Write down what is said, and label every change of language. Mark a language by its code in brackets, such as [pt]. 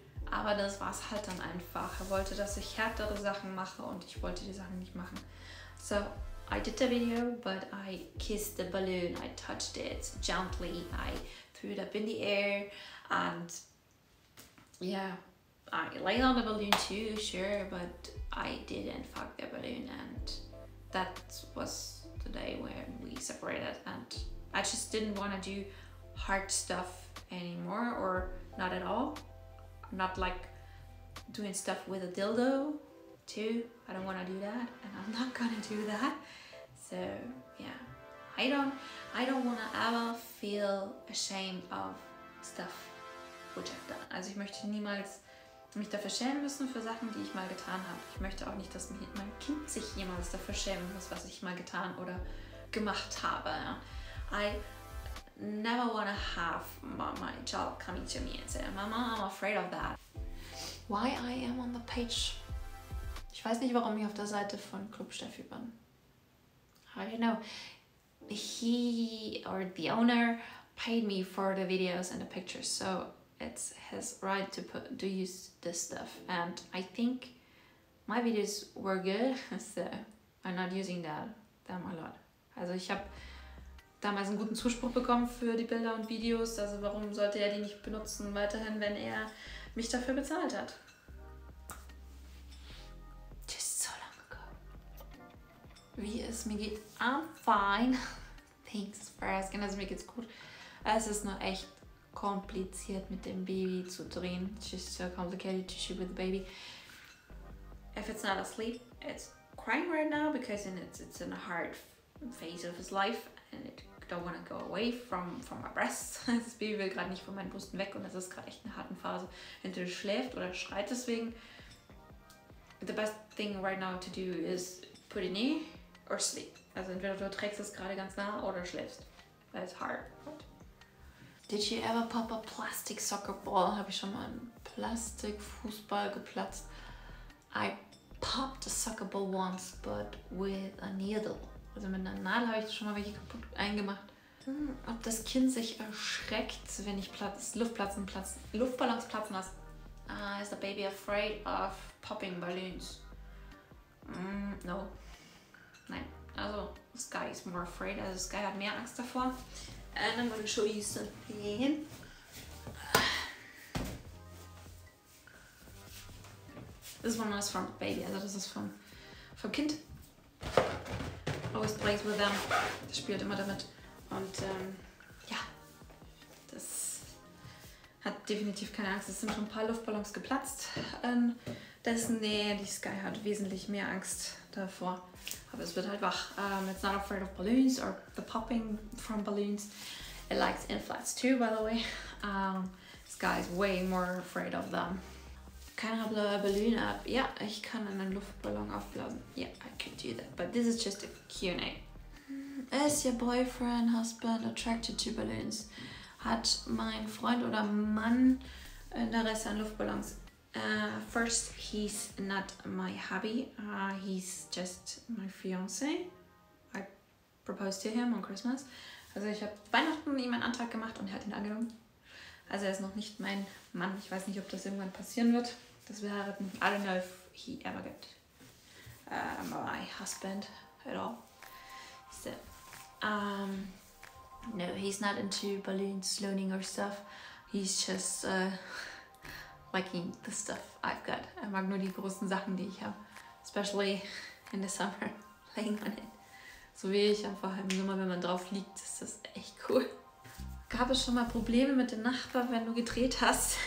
[de] Aber das war es halt dann einfach. Er wollte, dass ich härtere Sachen mache und ich wollte die Sachen nicht machen. [en] So, I did the video, but I kissed the balloon. I touched it gently. I threw it up in the air. And yeah, I laid on the balloon too, sure. But I didn't fuck the balloon. And that was the day when we separated. And I just didn't want to do hard stuff anymore or not at all. I'm not like doing stuff with a dildo too. I don't want to do that and I'm not gonna do that. So yeah, I don't want to ever feel ashamed of stuff which I've done. [de] Also ich möchte niemals mich dafür schämen müssen für Sachen, die ich mal getan habe. Ich möchte auch nicht, dass mein Kind sich jemals dafür schämen muss, was ich mal getan oder gemacht habe. [en] I never want to have my child coming to me and say, Mama, I'm afraid of that. Why I am on the page? [de] Ich weiß nicht, warum ich auf der Seite von Club Steffi bin. [en] I don't know. He or the owner paid me for the videos and the pictures, so it's his right to use this stuff. And I think my videos were good, so I'm not using them a lot. [de] Also ich habe damals einen guten Zuspruch bekommen für die Bilder und Videos. Also warum sollte er die nicht benutzen weiterhin, wenn er mich dafür bezahlt hat? [en] Just so long ago. [de] Wie es mir geht? [en] I'm fine. Thanks for asking. [de] Also mir geht's gut. Es ist nur echt kompliziert mit dem Baby zu drehen. [en] It's just so complicated to shoot with the baby. If it's not asleep, it's crying right now because it's in a hard phase of his life and it don't want to go away from my breasts. [de] Das Baby will gerade nicht von meinen Brüsten weg und das ist gerade echt eine harte Phase. Entweder schläft oder schreit deswegen. [en] The best thing right now to do is put it in or sleep. [de] Also entweder du trägst es gerade ganz nah oder schläfst. [en] That's hard. But... Did you ever pop a plastic soccer ball? [de] Habe ich schon mal einen Plastikfußball geplatzt? [en] I popped a soccer ball once, but with a needle. [de] Also mit einer Nadel habe ich schon mal welche kaputt eingemacht. Ob das Kind sich erschreckt, wenn ich Luftballons platzen lasse. [en] Is the baby afraid of popping balloons? No. [de] Nein. [en] Also Sky is more afraid. [de] Also Sky hat mehr Angst davor. [en] And I'm gonna show you something. This one is from the baby. [de] Also das ist vom Kind. [en] Always plays with them. [de] Das spielt immer damit. Und ja, das hat definitiv keine Angst. Es sind schon ein paar Luftballons geplatzt. Dessen Nähe, die Sky hat wesentlich mehr Angst davor. Aber es wird halt wach. [en] It's not afraid of balloons or the popping from balloons. It likes inflats too, by the way. Sky is way more afraid of them. [de] Keiner blaue Ballon ab. Ja, ich kann einen Luftballon aufblasen. [en] Yeah, I could do that. But this is just a Q&A. Is your boyfriend, husband attracted to balloons? [de] Hat mein Freund oder Mann Interesse an Luftballons? [en] First, he's not my hubby. He's just my fiancé. I proposed to him on Christmas. [de] Also ich habe Weihnachten ihm einen Antrag gemacht und er hat ihn angenommen. Also er ist noch nicht mein Mann. Ich weiß nicht, ob das irgendwann passieren wird, dass wir heiraten. [en] I don't know if he ever get my husband at all. So, no, he's not into balloons, loaning or stuff. He's just liking the stuff I've got. [de] Er mag nur die großen Sachen, die ich habe. [en] Especially in the summer, laying on it. [de] So wie ich einfach im Sommer, wenn man drauf liegt, ist das echt cool. Gab es schon mal Probleme mit dem Nachbar, wenn du gedreht hast?